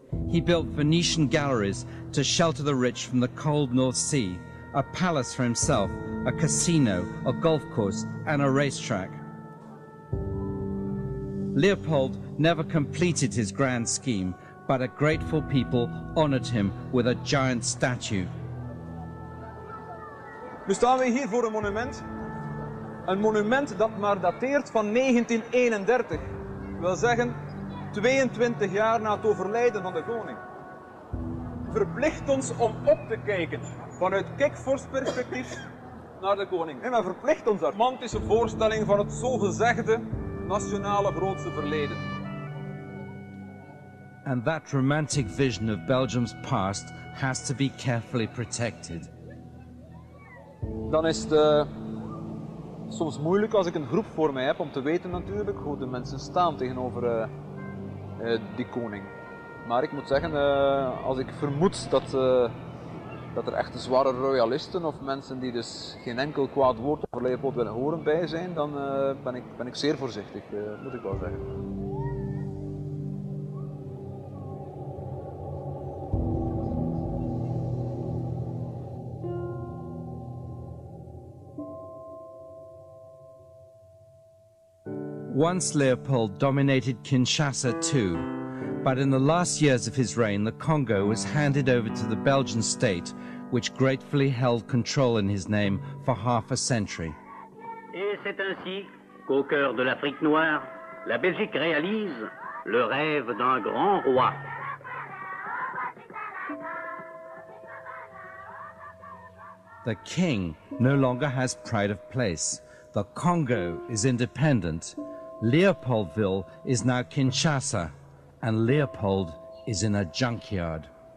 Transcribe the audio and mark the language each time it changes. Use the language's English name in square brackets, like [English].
[English] He built Venetian galleries to shelter the rich from the cold North Sea, a palace for himself, a casino, a golf course, and a racetrack. Leopold never completed his grand scheme, but a grateful people honored him with a giant statue. [Dutch] Nu staan we hier voor een monument. Een monument dat maar dateert van 1931. Dat wil zeggen, 22 jaar na het overlijden van de koning. Verplicht ons om op te kijken vanuit kikvorstperspectief naar de koning. Nee, maar verplicht ons dat. Romantische voorstelling van het zogezegde nationale grootste verleden. [English] And that romantic vision of Belgium's past has to be carefully protected. [Dutch] Dan is het soms moeilijk als ik een groep voor mij heb om te weten natuurlijk hoe de mensen staan tegenover die koning. Maar ik moet zeggen, als ik vermoed dat er echt zware royalisten of mensen die dus geen enkel kwaad woord over Leopold willen horen bij zijn, dan ben ik zeer voorzichtig, moet ik wel zeggen. [English] Once Leopold dominated Kinshasa too, but in the last years of his reign, the Congo was handed over to the Belgian state, which gratefully held control in his name for half a century. [French] Et c'est ainsi qu'au cœur de l'Afrique noire, la Belgique réalise le rêve d'un grand roi. [English] The king no longer has pride of place. The Congo is independent. Leopoldville is now Kinshasa, and Leopold is in a junkyard.